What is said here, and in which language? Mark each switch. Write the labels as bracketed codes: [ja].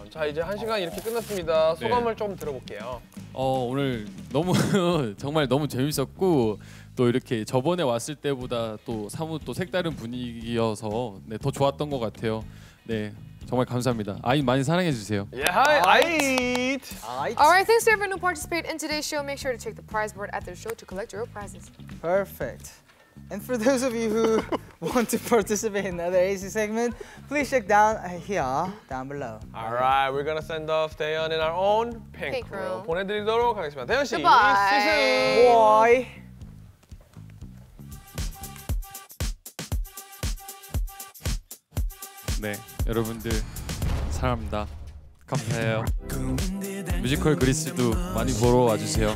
[ko] 자, 이제 한 시간 이렇게 끝났습니다. 소감을 네. 좀 들어볼게요. 오늘 너무 정말 너무 재밌었고 또 이렇게 저번에 왔을 때보다 또 사뭇 또 색다른 분위기여서 네, 더 좋았던 것 같아요. 네. 정말 감사합니다. 아이 많이 사랑해 주세요. [en] Yeah, hi, Aight. Aight. Aight. All right, thanks to everyone who participated in today's show. Make sure to check the prize board at the show to collect your prizes. Perfect. And for those of you who want to participate in another AC segment, please check down here, down below. All right, we're gonna send off Dayon in our own pink room. [ko] 보내드리도록 하겠습니다. 대현 씨, [en] Goodbye. See you soon. Bye. Bye. [ko] 네. 여러분들 사랑합니다. 감사해요. 뮤지컬 그리스도 많이 보러 와주세요.